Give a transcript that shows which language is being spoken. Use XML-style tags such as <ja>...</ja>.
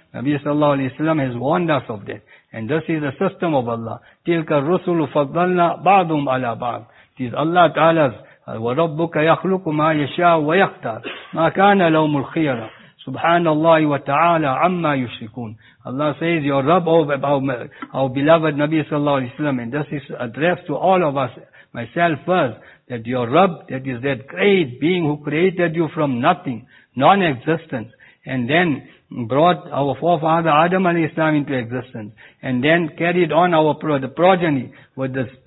<en>Nabi sallallahu alayhi wasalam has warned us of that. And this is the system of Allah.</en> <ar>تِلْكَ الرُّسُلُ فَضَّلْنَا بَعْضُهُمْ عَلَىٰ بَعْضٍ.</ar> <en>It is Allah Ta'ala's</en> <ar>وَرَبُّكَ يَخْلُقُ مَا يَشَاءُ وَيَخْتَارُ مَا كَانَ لَهُمُ الْخِيَرَةُ سُبْحَانَ اللَّهِ وَتَعَالَىٰ عَمَّا يُشْرِكُونَ.</ar> <en>Allah says, your Rabb, our beloved Nabi sallallahu alayhi wa sallam, and this is addressed to all of us, myself first, that your Rabb, that is that great being who created you from nothing, non-existence, and then brought our forefather Adam alayhi salam into existence, and then carried on our progeny with the</en>